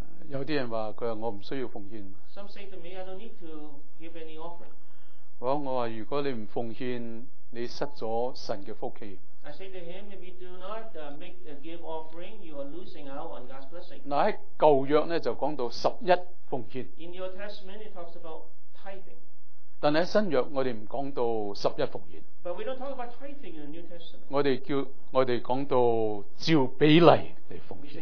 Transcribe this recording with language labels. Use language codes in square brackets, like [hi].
[zh] 有些人说，他说我不需要奉献。 [en] Some say to me, I don't need to give any offering. [zh] 我说如果你不奉献，你失了神的福气。 [en] I say to him, if you do not give offering, you are losing out on God's blessing. [zh] 在旧约呢，就讲到十一奉献。 [en] In the Old Testament, it talks about tithing. [zh] 但在新约，我们不讲到十一奉献。 [en] But we don't talk about tithing in the New Testament. [zh] 我们讲到照比例来奉献。